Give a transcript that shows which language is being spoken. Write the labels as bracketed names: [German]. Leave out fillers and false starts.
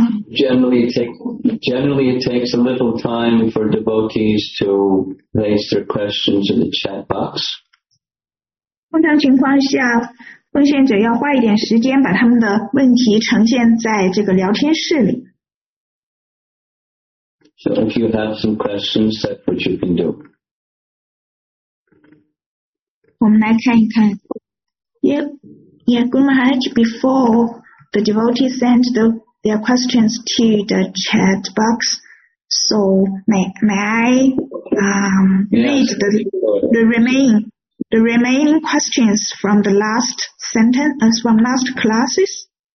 [English] Generally, it takes a little time for devotees to place their questions in the chat box. [Chinese] 通常情况下，奉献者要花一点时间把他们的问题呈现在这个聊天室里。 [English] So if you have some questions, that's what you can do. [Chinese] 我们来看一看。 [English] Yeah, Guru Maharaj, before the devotees send their questions to the chat box, so may I read the remaining questions from the last sentence, from last classes?